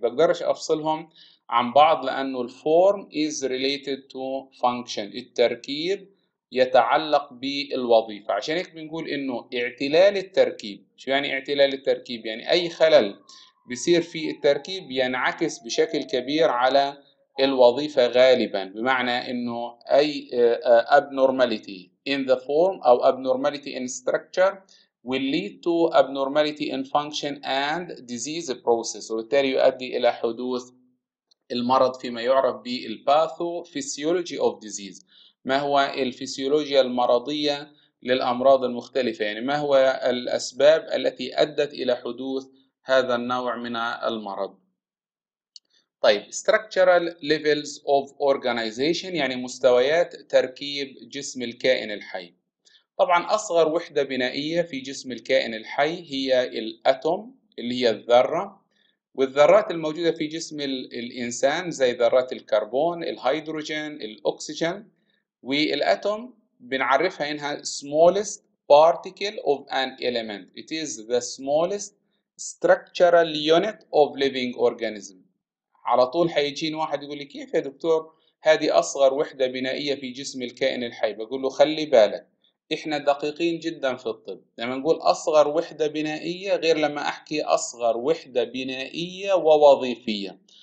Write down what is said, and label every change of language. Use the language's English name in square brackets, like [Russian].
[Arabic] بقدرش أفصلهم عن بعض لأنه الفورم [English] is related to function. [Arabic] التركيب يتعلق بالوظيفة. عشان هيك بنقول إنه اعتلال التركيب. شو يعني اعتلال التركيب؟ يعني أي خلل بيصير في التركيب ينعكس بشكل كبير على الوظيفة غالبا. بمعنى إنه أي [English] abnormality in the form أو abnormality in structure will lead to abnormality in function and disease process. [Arabic] وبالتالي يؤدي إلى حدوث المرض فيما يعرف بالباثوفيسيولوجي اوف ديزيز. ما هو الفسيولوجيا المرضية للأمراض المختلفة؟ يعني ما هو الأسباب التي أدت إلى حدوث هذا النوع من المرض؟ طيب [English] structural levels of organization [Arabic] يعني مستويات تركيب جسم الكائن الحي. طبعا أصغر وحدة بنائية في جسم الكائن الحي هي الأتوم اللي هي الذرة. والذرات الموجودة في جسم الإنسان زي ذرات الكربون، الهيدروجين، الأكسجين. والأتوم بنعرفها إنها [English] smallest particle of an element. It is the smallest structural unit of living organism. [Arabic] على طول حيجين واحد يقول لي كيف يا دكتور هذه أصغر وحدة بنائية في جسم الكائن الحي؟ بقول له خلي بالك إحنا دقيقين جدا في الطب. لما نقول أصغر وحدة بنائية غير لما أحكي أصغر وحدة بنائية ووظيفية.